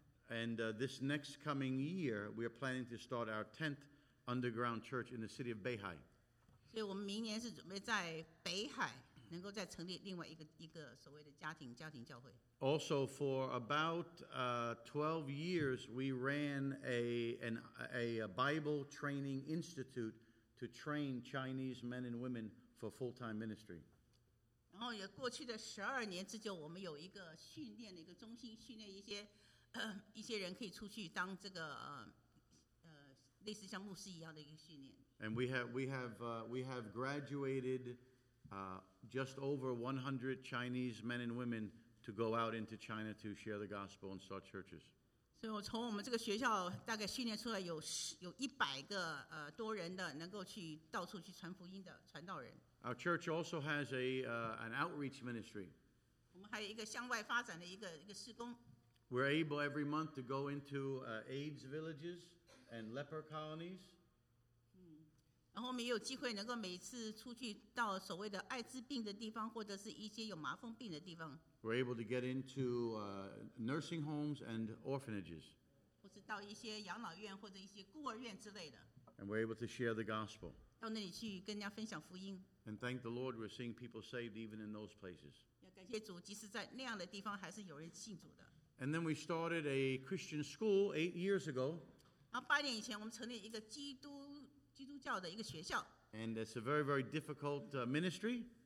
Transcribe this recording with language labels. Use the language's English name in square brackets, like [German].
[English] And this next coming year, we are planning to start our 10th underground church in the city of Beihai. [Chinese] 所以我们明年是准备在北海能够再成立另外一个所谓的家庭教会。 [English] Also for about 12 years, we ran a Bible training institute to train Chinese men and women for full-time ministry. [Chinese] 然后也过去的12年之久，我们有一个训练的一个中心，训练一些人可以出去当这个类似像牧师一样的一个训练。 [English] And we have graduated just over 100 Chinese men and women to go out into China to share the gospel and start churches. [Chinese] 所以我从我们这个学校大概训练出来有100个多人的能够去到处去传福音的传道人。 [English] Our church also has an outreach ministry. [Chinese] 我们还有一个向外发展的一个事工。 [English] We're able every month to go into AIDS villages and leper colonies. [Chinese] 然后我们也有机会能够每次出去到所谓的艾滋病的地方，或者是一些有麻风病的地方。 [English] We're able to get into nursing homes and orphanages. [Chinese] 或是到一些养老院或者一些孤儿院之类的。 [English] And we're able to share the gospel. [Chinese] 到那里去跟人家分享福音。 [English] And thank the Lord, we're seeing people saved even in those places. [Chinese] 要感谢主，即使在那样的地方还是有人信主的。 [English] And then we started a Christian school 8 years ago. [Chinese] 然后八年以前我们成立一个基督教的一个学校。 [English] And it's a very, very difficult ministry.